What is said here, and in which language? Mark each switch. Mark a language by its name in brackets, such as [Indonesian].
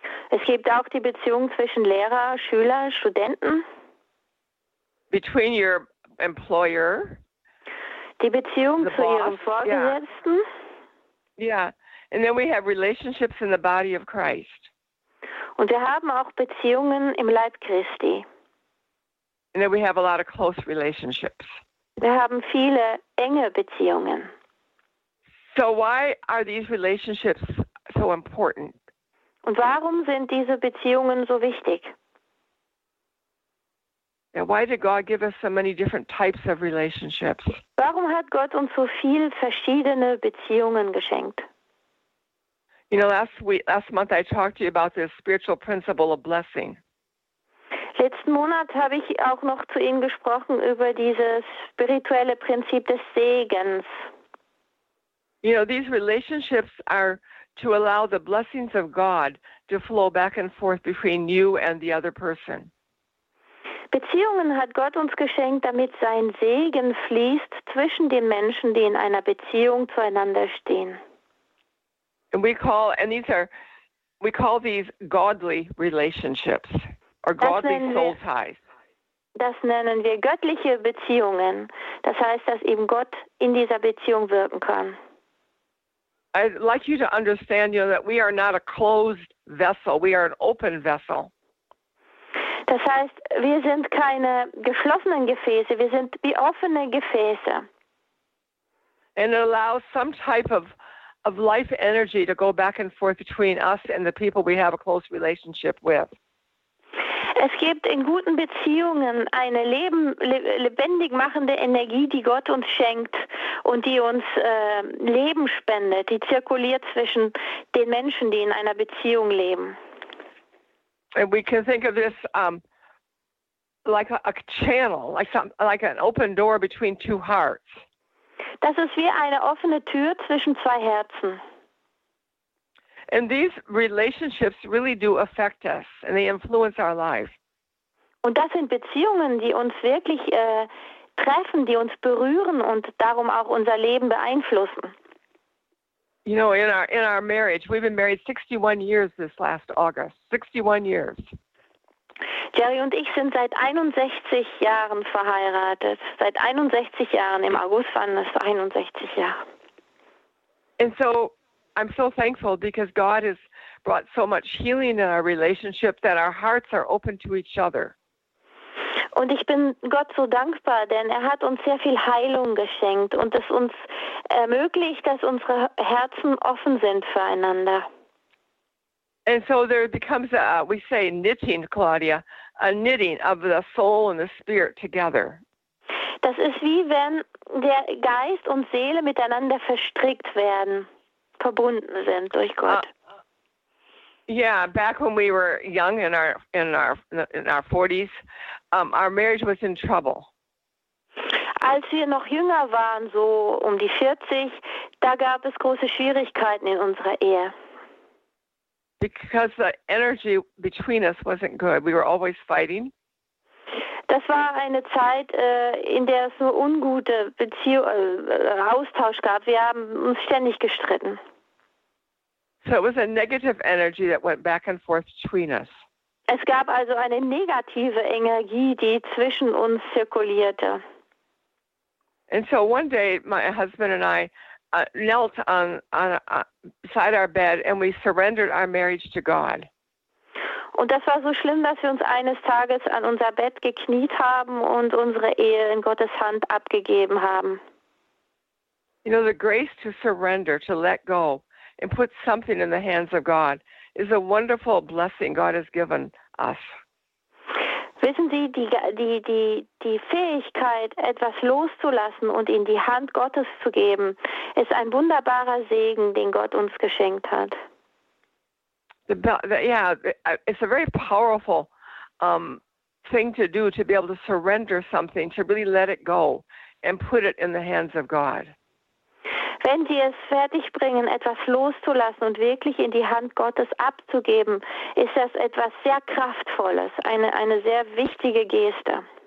[German] Es gibt auch die Beziehung zwischen Lehrer, Schüler, Studenten. [English] Between your employer. [German] Die Beziehung zu ihrem Vorgesetzten. [English] Yeah, and then we have relationships in the body of Christ. [German] Und wir haben auch Beziehungen im Leib Christi. [English] And then we have a lot of close relationships. [German] Wir haben viele enge Beziehungen. [English] So why are these relationships so important? [German] Und warum sind diese Beziehungen so wichtig? [English] Now, why did God give us so many different types of relationships? [German] Warum hat Gott uns so viel verschiedene Beziehungen geschenkt? [English] You know, last month I talked to you about this spiritual principle of blessing. [German] Letzten Monat habe ich auch noch zu Ihnen gesprochen über dieses spirituelle Prinzip des Segens. [English] You know, these relationships are to allow the blessings of God to flow back and forth between you and the other person. [German] Beziehungen hat Gott uns geschenkt, damit sein Segen fließt zwischen den Menschen, die in einer Beziehung zueinander stehen. [English] And we call these godly relationships or godly soul ties. [German] Das nennen wir göttliche Beziehungen. Das heißt, dass eben Gott in dieser Beziehung wirken kann. [English] I'd like you to understand, you know, that we are not a closed vessel. We are an open vessel. [German] Das heißt, wir sind keine geschlossenen Gefäße. Wir sind wie offene Gefäße. [English] And it allows some type of life energy to go back and forth between us and the people we have a close relationship with. [German] Es gibt in guten Beziehungen eine lebendig machende Energie, die Gott uns schenkt und die uns Leben spendet, die zirkuliert zwischen den Menschen, die in einer Beziehung leben. [English] And we can think of this like a channel, like an open door between two hearts. [German] Das ist wie eine offene Tür zwischen zwei Herzen. [English] And these relationships really do affect us, and they influence our life. [German] Und das sind Beziehungen, die uns wirklich treffen, die uns berühren und darum auch unser Leben beeinflussen. [English] You know, in our marriage, we've been married 61 years this last August. 61 years. [German] Jerry und ich sind seit 61 Jahren verheiratet. Seit 61 Jahren, im August waren es 61 Jahre. [English] And so I'm so thankful because God has brought so much healing in our relationship that our hearts are open to each other. [German] Und ich bin Gott so dankbar, denn er hat uns sehr viel Heilung geschenkt und es uns ermöglicht, dass unsere Herzen offen sind füreinander. [English] And so there becomes knitting, Claudia, a knitting of the soul and the spirit together. [German] Das ist wie wenn der Geist und Seele miteinander verstrickt werden. Verbunden sind durch Gott. [English] Yeah, back when we were young in our 40s, our marriage was in trouble. [German] Als wir noch jünger waren, so um die 40, da gab es große Schwierigkeiten in unserer Ehe. [English] Because the energy between us wasn't good. We were always fighting. [German] Das war eine Zeit, in der es nur ungute Austausch gab. Wir haben uns ständig gestritten. [English] So it was a negative energy that went back and forth between us. [German] Es gab also eine negative Energie, die zwischen uns zirkulierte. [English] And so one day my husband and I knelt beside our bed and we surrendered our marriage to God. [German] Und das war so schlimm, dass wir uns eines Tages an unser Bett gekniet haben und unsere Ehe in Gottes Hand abgegeben haben. [English] You know, the grace to surrender, to let go, and put something in the hands of God is a wonderful blessing God has given us. [German] Wissen Sie, die Fähigkeit, etwas loszulassen und in die Hand Gottes zu geben, ist ein wunderbarer Segen, den Gott uns geschenkt hat. [English] It's a very powerful thing to do, to be able to surrender something, to really let it go and put it in the hands of God. [German] Wenn Sie es fertig bringen, etwas loszulassen und wirklich in die Hand Gottes abzugeben, ist das etwas sehr Kraftvolles, eine sehr wichtige Geste.